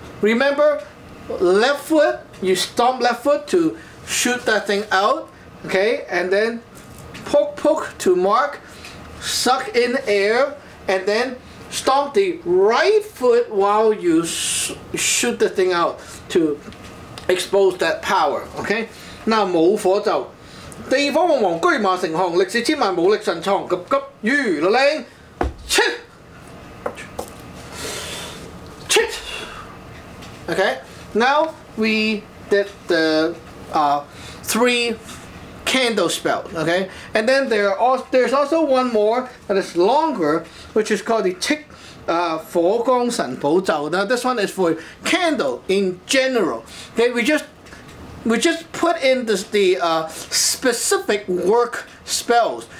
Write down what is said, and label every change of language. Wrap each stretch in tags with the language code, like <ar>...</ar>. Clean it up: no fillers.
<en>Remember, left foot, you stomp left foot to shoot that thing out, okay? And then poke, poke to mark, suck in air, and then stomp the right foot while you shoot the thing out to expose that power. Okay?</en> <zh>那冇火咒，地火凤凰居马成行，历史千万武力神创，急急如律令，切切。</zh> <en>Okay? Now we did the three candle spell, okay? And then there's also one more that is longer, which is called the 火光神宝咒. Now this one is for candle in general. Okay, we just put in the specific work spells.</en>